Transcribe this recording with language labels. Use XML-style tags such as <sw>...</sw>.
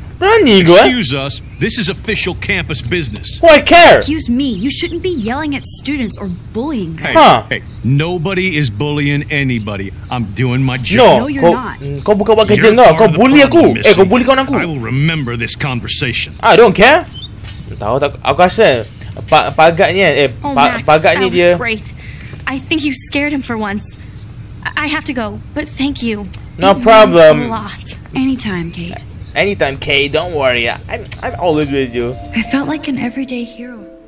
<en>Excuse us, this is official campus business. Why care? Excuse me, you shouldn't be yelling at students or bullying them. Hey, huh. Hey, nobody is bullying anybody. I'm doing my job. no you're not.</en> <ms>Kau bukan buat kerja kau. Kau bully aku. Eh, kau bully kawan aku.</ms> <en>I will remember this conversation. I don't care.</en> <ms>Tahu tak, aku rasa pagaknya, pagaknya dia.</ms> <en>Oh, Max, that was great. I think you scared him for once. I have to go, but thank you. No problem. It means a lot. Anytime, Kate. Anytime, Kay. Don't worry. I'm always with you. I felt like an everyday hero.</en>